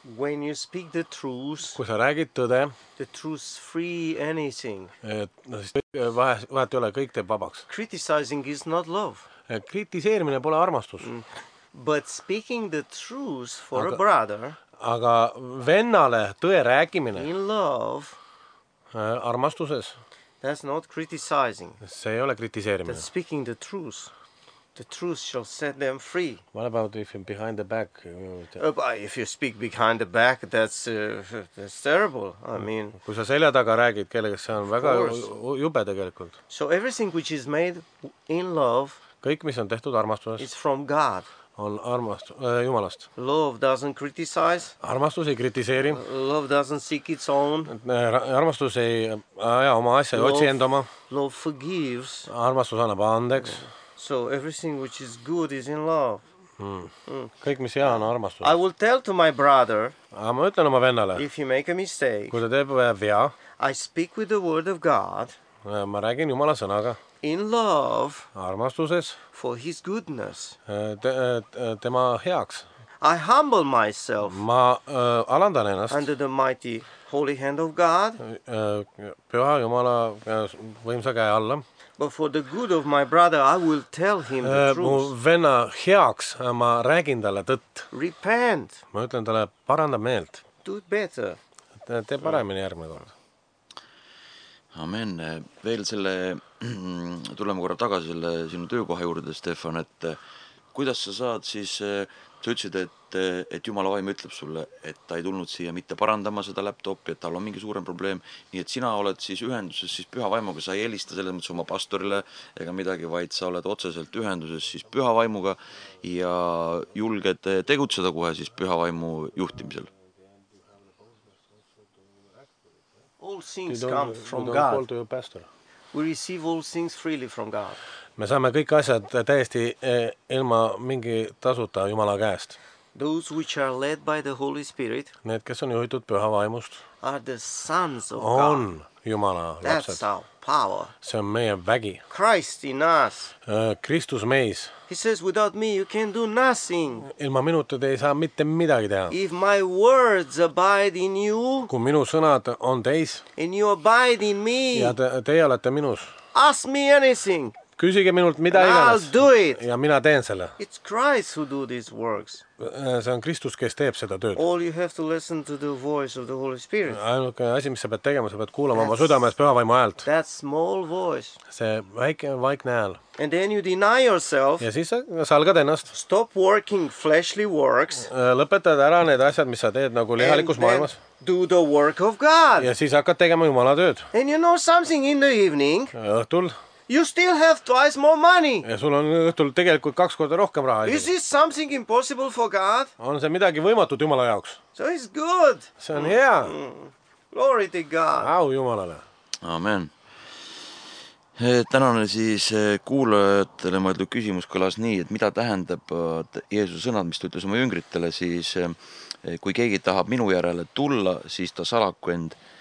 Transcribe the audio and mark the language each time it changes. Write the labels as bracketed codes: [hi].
[en] When you speak the truth. [et] Kui sa räägid tõde. [en] The truth free anything. [et] Vahet ei ole, kõik teeb vabaks. [en] Criticizing is not love. [et] Kritiseerimine pole armastus. [en] But speaking the truth for a brother. [et] Aga vennale tõe rääkimine. [en] In love. [et] Armastuses. [en] That's not criticizing. [et] See ei ole kritiseerimine. [en] That's speaking the truth. The truth shall set them free. What about if behind the back? If you speak behind the back, that's terrible. I mean. [et] Kui sa selja taga räägid kellega, see on väga jube tegelikult. [en] So everything which is made in love. [et] Kõik, mis on tehtud armastuses. [en] It's from God. [et] On armastus, Jumalast. [en] Love doesn't criticize. [et] Armastus ei kritiseeri. [en] Love doesn't seek its own. [et] Armastus ei aja oma asja, ei otsi endama. [en] Love forgives. [et] Armastus annab andeks. [en] So everything which is good is in love. [et] Kõik, mis hea on armastus. [en] I will tell to my brother. [et] Ma ütlen oma vennale. [en] If you make a mistake. [et] Kui ta teeb vea. [en] I speak with the word of God. [et] Ma räägin Jumala sõnaga. [en] In love. [et] Armastuses. [en] For his goodness. [et] Tema heaks. [en] I humble myself. [et] Ma alandan ennast. [en] Under the mighty holy hand of God. [et] Püha Jumala võimsa käe alla. [en] But for the good of my brother, I will tell him the truth. [et] Mu venna heaks ma räägin talle tõtt. [en] Repent. [et] Ma ütlen talle, paranda meelt. [en] Do it better. [et] Tee paremini järgmine kord. [en] Amen. [et] Veel selle, tuleme korra tagasi selle sinu töökoha juurde, Stefan, et kuidas sa saad siis, sa ütlesid, et Jumala vaim ütleb sulle, et ta ei tulnud siia mitte parandama seda laptopi, et tal on mingi suurem probleem, nii et sina oled siis ühenduses siis püha vaimuga, sa ei elista selles mõttes oma pastorile ega midagi, vaid sa oled otseselt ühenduses siis püha vaimuga ja julged tegutseda kohe siis püha vaimu juhtimisel. [en] All things come from God. Call to your pastor. We receive all things freely from God. [et] Me saame kõik asjad täiesti ilma mingi tasuta Jumala käest. [en] Those which are led by the Holy Spirit. [et] Need, kes on juhitud püha vaimust. [en] Are the sons of God. [et] On Jumala lapsed. [en] That's our power. [et] See on meie vägi. [en] Christ in us. [et] Kristus meis. [en] He says, without me you can do nothing. [et] Ilma minutud ei saa mitte midagi teha. [en] If my words abide in you. [et] Kui minu sõnad on teis. [en] And you abide in me. [et] Ja teie olete minus. [en] Ask me anything. [et] Küsige minult mida iganes. [en] Do it. [et] Ja mina teen selle. [en] It's Christ who do these works. [et] See on Kristus, kes teeb seda tööd. [en] All you have to listen to the voice of the Holy Spirit. [et] Ainuke asi, mis sa pead tegema, sa pead kuulema oma südames püha vaimu häält. [en] That small voice. [et] See väike vaikne hääl. [en] And then you deny yourself. [et] Ja siis sa algad ennast. [en] Stop working fleshly works. [et] Lõpetad ära need asjad, mis sa teed nagu lihalikus maailmas. [en] Do the work of God. [et] Ja siis hakkad tegema Jumala tööd. [en] And you know something in the evening. [et] Õhtul. [en] You still have twice more money. [et] Ja sul on õhtul tegelikult kaks korda rohkem raha. [en] Is this something impossible for God? [et] On see midagi võimatud Jumala jaoks? [en] So it's good. [et] See on hea. [en] Glory to God. [et] Au Jumalale. [en] Amen. [et] Tänane siis kuulajatele mõeldud küsimus kõlas nii, et mida tähendab Jeesus sõnad, mis ta ütles oma jüngritele, siis kui keegi tahab minu järele tulla, siis ta salaku end.